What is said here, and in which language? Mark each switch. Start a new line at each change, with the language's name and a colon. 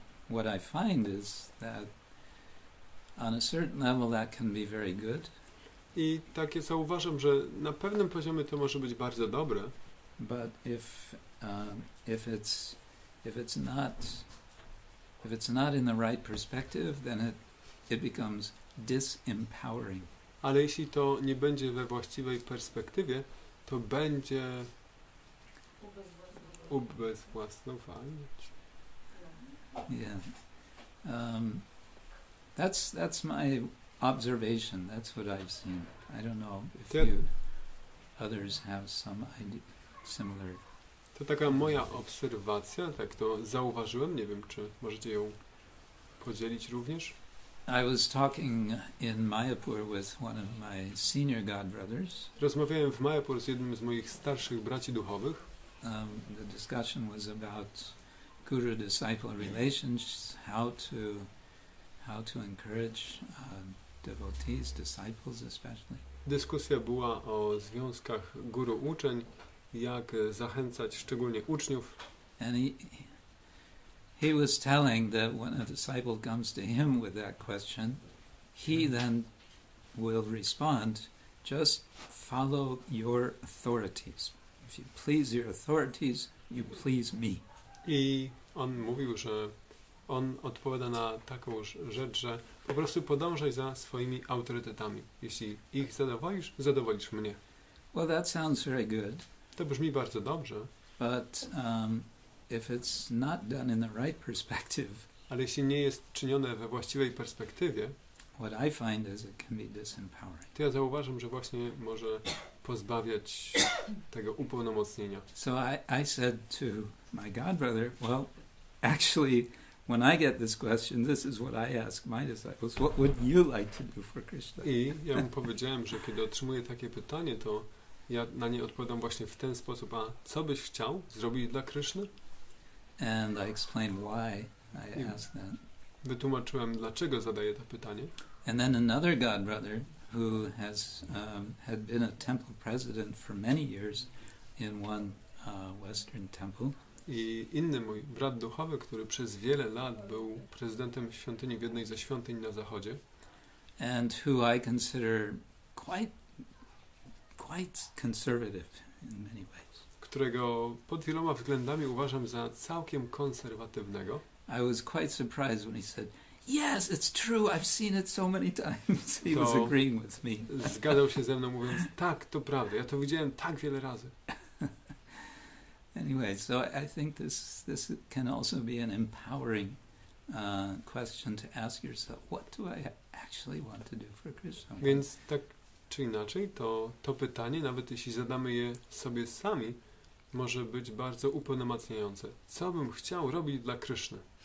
English: What I find is that on a certain level that can be very good.
Polish: I tak ja zauważam, że na pewnym poziomie to może być bardzo dobre.
English: But if it's not in the right perspective, then it becomes disempowering.
Polish: Ale jeśli to nie będzie we właściwej perspektywie, to będzie ubezwłasnowalniać.
English: Yeah. That's my observation. That's what I've seen. I don't know if you others have some idea. Similar.
Polish: To taka moja obserwacja, tak to zauważyłem, nie wiem, czy możecie ją podzielić również.
English: I was talking in Mayapur with one of my senior godbrothers.
Polish: Rozmawiałem w Mayapur z jednym z moich starszych braci duchowych.
English: The discussion was about guru disciple relations, how to encourage devotees, disciples especially.
Polish: Dyskusja była o związkach guru uczeń, jak zachęcać szczególnie uczniów.
English: And he was telling that when a disciple comes to him with that question, he then will respond, just follow your authorities. If you please your authorities, you please me.
Polish: I on mówił, że on odpowiada na taką rzecz, że po prostu podążaj za swoimi autorytetami. Jeśli ich zadowolisz, zadowolisz mnie.
English: Well, that sounds very good.
Polish: To brzmi bardzo dobrze.
English: But if it's not done in the right perspective,
Polish: ale jeśli nie jest czynione we właściwej perspektywie,
English: what I find is it can be disempowering.
Polish: To ja zauważam, że właśnie może pozbawiać tego upełnomocnienia.
English: So I said to my godbrother, well, actually, when I get this question, this is what I ask my disciples. What would you like to do for Krishna?
Polish: I ja mu powiedziałem, że kiedy otrzymuję takie pytanie, to ja na nie odpowiadam właśnie w ten sposób, a co byś chciał zrobić dla Kryszny?
English: And I explained why I asked that.
Polish: Wytłumaczyłem, dlaczego zadaję to pytanie.
English: And then another godbrother, who has had been a temple president for many years in one western temple.
Polish: I inny mój brat duchowy, który przez wiele lat był prezydentem świątyni w jednej ze świątyń na zachodzie.
English: And who I consider quite conservative in many ways.
Polish: Którego pod wieloma względami uważam za całkiem konserwatywnego.
English: I was quite surprised when he said, "Yes, it's true. I've seen it so many times." He was agreeing with me.
Polish: Zgadzał się ze mną, mówiąc: "Tak, to prawda. Ja to widziałem tak wiele razy."
English: Anyway, so I think this can also be an empowering question to ask yourself: What do I actually want to do for Krishna?
Polish: Więc tak czy inaczej, to pytanie, nawet jeśli zadamy je sobie sami, może być bardzo upełnomacniające. Co bym chciał robić dla Kryszny?